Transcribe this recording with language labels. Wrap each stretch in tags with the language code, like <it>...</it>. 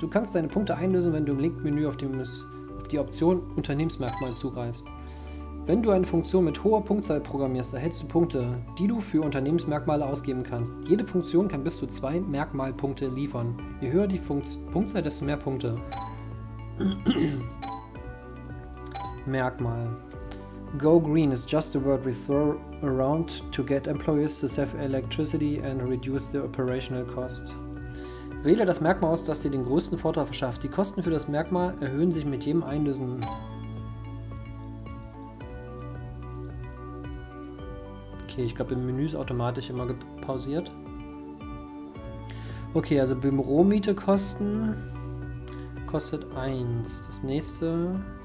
<de>Du kannst deine Punkte einlösen, wenn du im linken Menü auf die Option Unternehmensmerkmal zugreifst. Wenn du eine Funktion mit hoher Punktzahl programmierst, erhältst du Punkte, die du für Unternehmensmerkmale ausgeben kannst. Jede Funktion kann bis zu 2 Merkmalpunkte liefern. Je höher die Punktzahl, desto mehr Punkte. Merkmal.</de> <en>Go green is just a word we throw around to get employees to save electricity and reduce the operational cost.</en> <de>Wähle das Merkmal aus, das dir den größten Vorteil verschafft. Die Kosten für das Merkmal erhöhen sich mit jedem Einlösen. Okay, ich glaube, im Menü ist automatisch immer gepausiert. Okay, also Büromiete kostet 1. Das nächste.</de>